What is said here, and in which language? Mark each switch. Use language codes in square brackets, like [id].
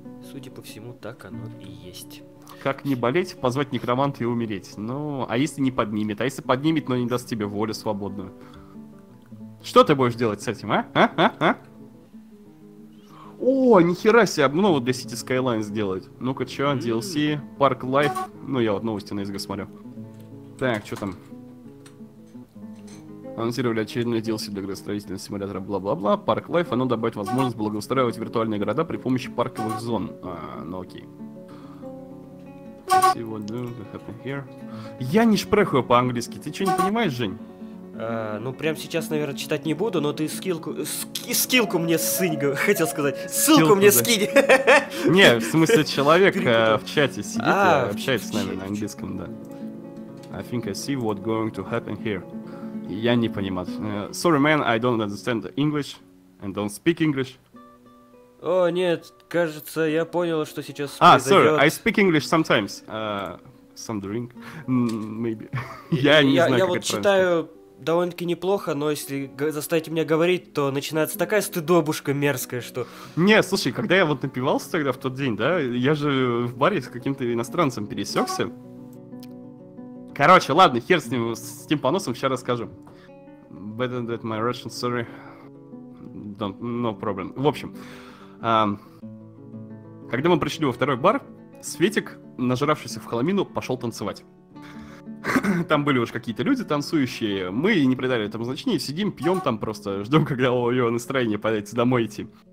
[ru] Судя по всему, так оно и есть. Как не болеть, позвать некроманта и умереть. Ну, а если не поднимет? А если поднимет, но не даст тебе волю свободную? Что ты будешь делать с этим, а? О, нихера себе, обнову для City Skylines сделать. Ну-ка, чё, DLC, Park Life. Ну, я вот новости на СГ смотрю. Так, чё там? Анонсировали очередной DLC для градостроительного симулятора, бла-бла-бла. Park Life, оно добавит возможность благоустраивать виртуальные города при помощи парковых зон. А, ну окей. [en] See what do happen here. [ru] Я не шпрехаю по-английски, ты чё не понимаешь, Жень? Ну, прям сейчас, наверное, читать не буду, но ты скилку... скилку мне ссынь, хотел сказать. Ссылку скилку, мне да. Скинь. Не, в смысле, человек в чате сидит, общается с нами на английском, да. [en] I think I see what's going to happen here. [ru] Я не понимаю. [en] Sorry, man, I don't understand English and don't speak English. [ru] О, нет, кажется, я понял, что сейчас произойдет. [en] А, sorry, I speak English sometimes. Some drink, maybe. [ru] Я не знаю, как это правильно. Я вот читаю... довольно-таки неплохо, но если заставить меня говорить, то начинается такая стыдобушка мерзкая, что... Не, слушай, когда я вот напивался тогда в тот день, да, я же в баре с каким-то иностранцем пересекся. Короче, ладно, хер с ним, с тем поносом, сейчас расскажу. [en] Better than my Russian, sorry. Don't, no problem. [ru] В общем, когда мы пришли во второй бар, Светик, нажравшийся в халамину, пошел танцевать. Там были уж какие-то люди танцующие. Мы не придали этому значения. Сидим, пьем там просто, ждем, когда у него настроение подойти домой идти.